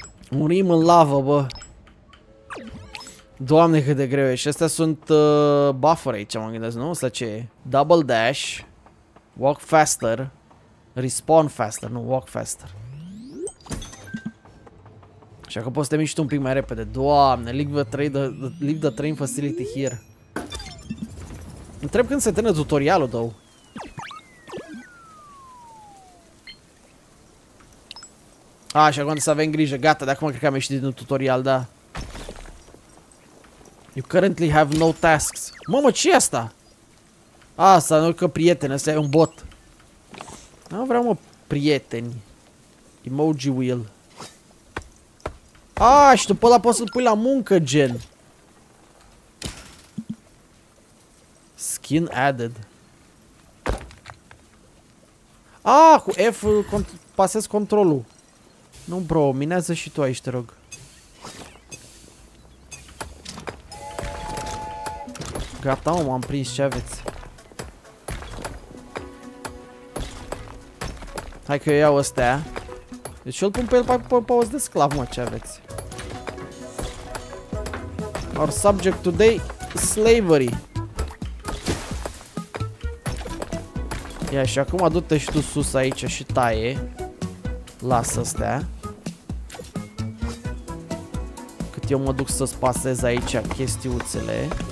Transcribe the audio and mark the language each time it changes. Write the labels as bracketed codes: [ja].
[ro] Murim în lavă, bă. Doamne, cât de greu e. Și astea sunt buffere, ce mă gândesc, nu? Asta ce e? [en] Double dash, walk faster, respawn faster, [ro] nu, [en] walk faster. [ro] Așa că poți să te miști un pic mai repede. Doamne, [en] leave the train facility here. [ro] Întreb când se termină tutorialul, tău. A, și acum să avem grijă. Gata, de acum cred că am ieșit din un tutorial, da. [en] You currently have no tasks. [ro] Mamă, ce e asta? Asta nu e că prieten, asta e un bot. Nu vreau, mă, prieteni. [en] Emoji wheel. [ro] A, și după ăla poți să-l pui la muncă, gen. [en] Skin added. [ro] A, cu F pasez controlul. Nu, bro, minează și tu aici, te rog. Gata, mă, m-am prins, ce aveți? Hai că eu iau ăstea. Deci eu îl pun pe el pe os de sclav, mă, ce aveți? [en] Our subject today, slavery. [ro] Ia și acum du-te și tu sus aici și taie. Lasă ăstea. Eu mă duc să spasez aici chestiuțele.